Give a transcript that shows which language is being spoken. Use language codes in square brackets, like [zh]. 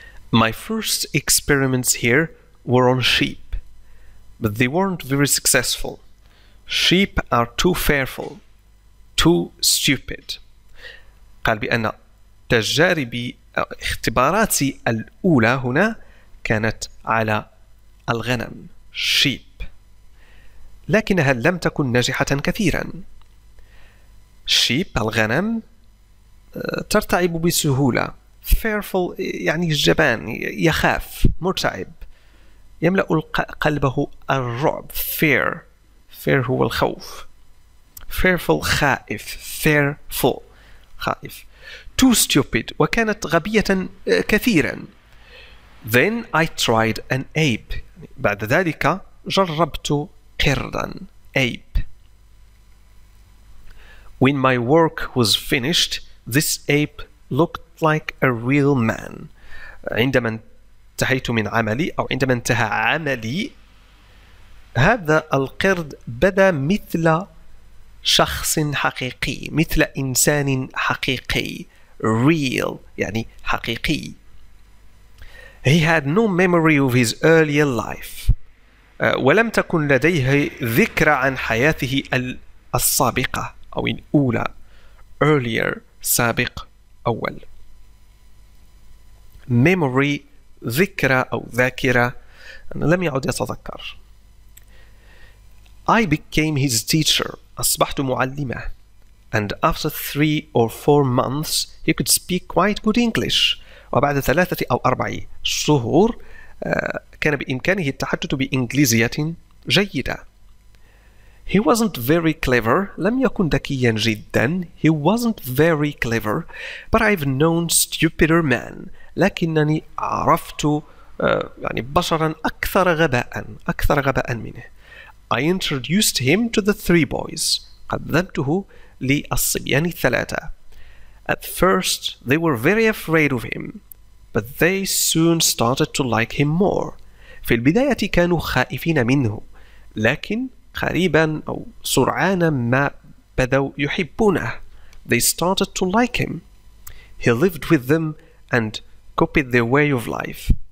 [en] My first experiments here were on sheep, but they weren't very successful. Sheep are too fearful, too stupid. [ar] قال بأن تجاربي اختباراتي الأولى هنا كانت على الغنم sheep، لكنها لم تكن ناجحة كثيرا. Sheep الغنم ترتعب بسهولة. Fearful يعني الجبان، يخاف، مرتعب، يملأ قلبه الرعب. Fear، fear هو الخوف. Fearful خائف. Fearful خائف. [en] Too stupid، [ar] وكانت غبية كثيرا. [en] Then I tried an ape، [ar] بعد ذلك جربت قردا. [en] Ape. When my work was finished, this ape looked like a real man. [ar] عندما انتهيت من عملي أو عندما انتهى عملي، هذا القرد بدا مثل شخص حقيقي، مثل إنسان حقيقي. [en] Real [ar] يعني حقيقي. [en] He had no memory of his earlier life. [ar] ولم تكن لديه ذكرى عن حياته السابقة أو الأولى. Earlier سابق أول. Memory ذكرى أو ذاكرة. لم يعد يتذكر. [en] I became his teacher. [ar] أصبحت معلمة. [en] And after 3 or 4 months, he could speak quite good English. [ar] وبعد 3 أو 4 شهور كان بإمكانه التحدث بإنجليزية جيدة. [en] He wasn't very clever. [ar] لم يكن ذكيا جدا. [en] He wasn't very clever. But I've known stupider men. [ar] لكنني عرفت يعني بشرا أكثر غباء، أكثر غباء منه. [en] I introduced him to the three boys. [ar] قدمته للصبيان الثلاثة. [en] At first they were very afraid of him, but they soon started to like him more. [ar] في البداية كانوا خائفين منه، لكن قريبا أو سرعان ما بدأوا يحبونه. [en] they started to like him. He lived with them and copied their way of life.